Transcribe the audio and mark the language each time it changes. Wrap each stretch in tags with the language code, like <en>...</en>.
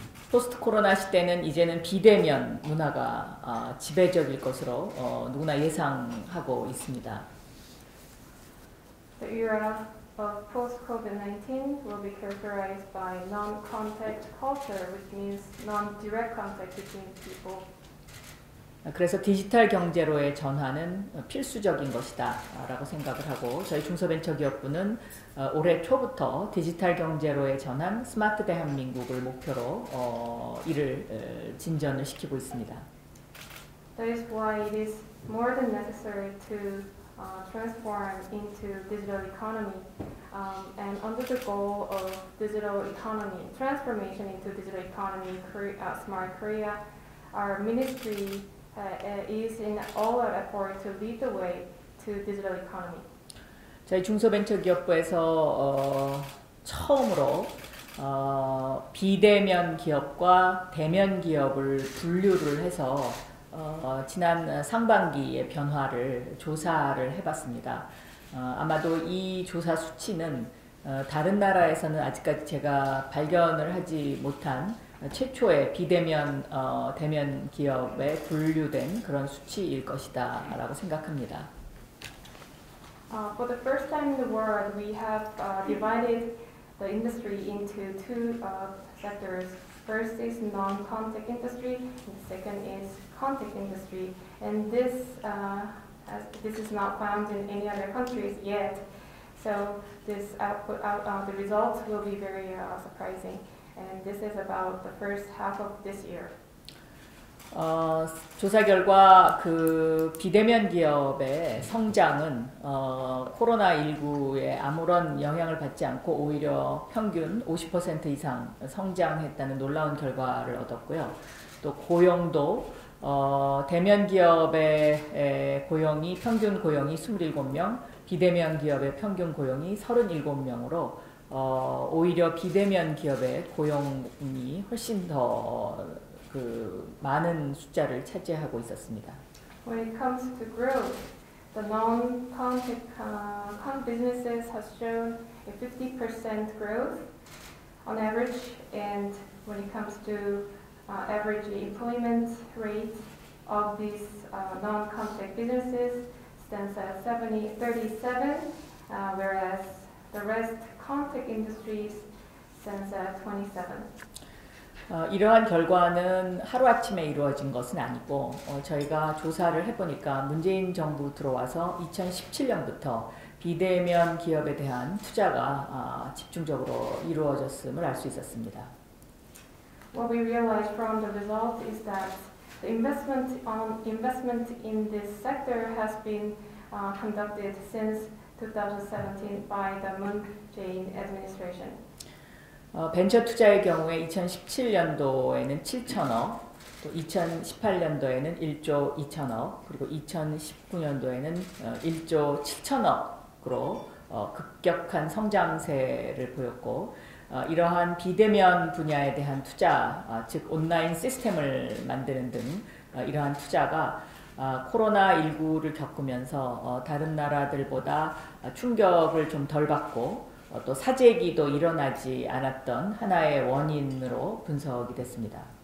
<ko>포스트 코로나 시대는 이제는 비대면 문화가 지배적일 것으로 누구나 예상하고 있습니다.</ko> <en>The era of post-COVID-19 will be characterized by non-contact culture, which means non-direct contact between people.</en> <ko>그래서 디지털 경제로의 전환은 필수적인 것이다 라고 생각을 하고 저희 중소벤처기업부는 올해 초부터 디지털 경제로의 전환 스마트 대한민국을 목표로 일을 진전을 시키고 있습니다.</ko> <en>That is why it is more than necessary to transform into digital economy. And under the goal of digital economy, transformation into digital economy, smart Korea, our ministry is in all our effort to lead the way to digital economy.</en> <ko>저희 중소벤처기업부에서 처음으로 비대면 기업과 대면 기업을 분류를 해서 지난 상반기의 변화를 조사를 해봤습니다. 아마도 이 조사 수치는 다른 나라에서는 아직까지 제가 발견을 하지 못한 최초의 비대면 대면 기업에 분류된 그런 수치일 것이다 라고 생각합니다.</ko> <en>For the first time in the world, we have divided the industry into two sectors. First is non-contact industry, and the second is contact industry. And this, this is not found in any other countries yet. So this output, the results will be very surprising. And this is about the first half of this year.</en> <ko>조사 결과 그 비대면 기업의 성장은 코로나19에 아무런 영향을 받지 않고 오히려 평균 50% 이상 성장했다는 놀라운 결과를 얻었고요. 또 고용도 대면 기업의 고용이 평균 고용이 27명, 비대면 기업의 평균 고용이 37명으로 오히려 비대면 기업의 고용이 훨씬 더 그 많은 숫자를 차지하고 있었습니다.</ko> <en>When it comes to growth, the non-contact businesses has shown a 50% growth on average, and when it comes to average employment rate of these non-contact businesses stands at 37, whereas the rest contact industries stands at 27.</en> <ko>이러한 결과는 하루아침에 이루어진 것은 아니고 저희가 조사를 해보니까 문재인 정부 들어와서 2017년부터 비대면 기업에 대한 투자가 집중적으로 이루어졌음을 알 수 있었습니다.</ko> <en>What we realized from the result is that the investment in this sector has been conducted since 2017 by the Moon Jae-in administration.</en> <ko>벤처 투자의 경우에 2017년도에는 7천억, 또 2018년도에는 1조 2천억, 그리고 2019년도에는 1조 7천억으로 급격한 성장세를 보였고, 이러한 비대면 분야에 대한 투자, 즉 온라인 시스템을 만드는 등 이러한 투자가 코로나19를 겪으면서 다른 나라들보다 충격을 좀 덜 받고 또 사재기도 일어나지 않았던 하나의 원인으로 분석이 됐습니다.</ko>